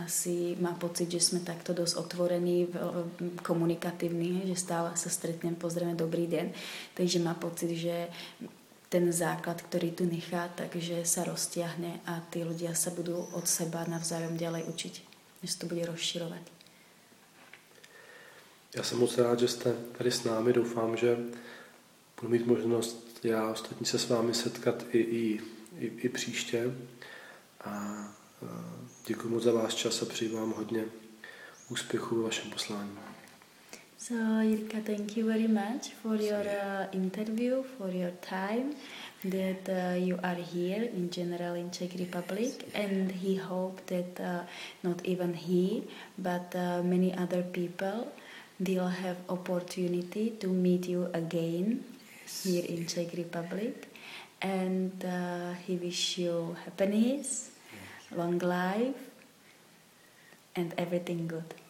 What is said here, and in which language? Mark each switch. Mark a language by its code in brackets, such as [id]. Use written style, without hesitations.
[sk] Asi má pocit, že sme takto dosť otvorení, komunikatívni, že stále sa stretnem, pozrieme, dobrý deň. Takže má pocit, že ten základ, ktorý tu nechá, takže sa roztiahne a tí ľudia sa budú od seba navzájom ďalej učiť, že sa to bude rozširovať. Ja som moc rád, že ste [cs] tady s námi. Doufám, že budu mít možnost já ostatní se s vámi setkat i příště. A děkuji moc za váš čas a přeji vám hodně úspěchů ve vašem poslání. [en] So, Jirka, thank you very much for your interview, for your time that you are here in general in Czech Republic. Yes, yeah. And he hoped that not even he, but many other people will have opportunity to meet you again here in Czech Republic, and he wish you happiness, long life, and everything good.